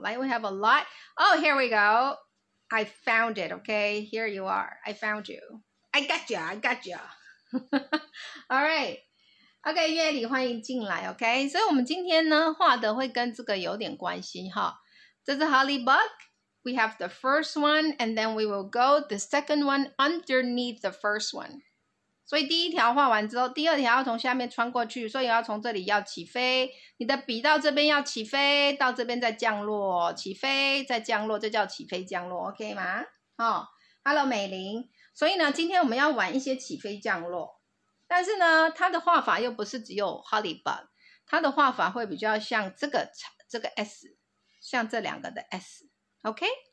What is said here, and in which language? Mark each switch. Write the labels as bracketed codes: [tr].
[en] 来， we have a lot. Oh, here we go. I found it, okay? Here you are. I found you. I got you. All right. [zh] Okay, 月里欢迎进来， okay? 所以我们今天呢，画的会跟这个有点关系哈。这是 Honeybug. [en] We have the first one, and then we will go the second one underneath the first one. [zh] 所以第一条画完之后，第二条要从下面穿过去，所以要从这里要起飞，你的笔到这边要起飞，到这边再降落，起飞再降落，这叫起飞降落， OK 吗？哦， Hello 美玲。所以呢，今天我们要玩一些起飞降落，但是呢，它的画法又不是只有 Honeybug， 它的画法会比较像这个 S， 像这两个的 S， OK，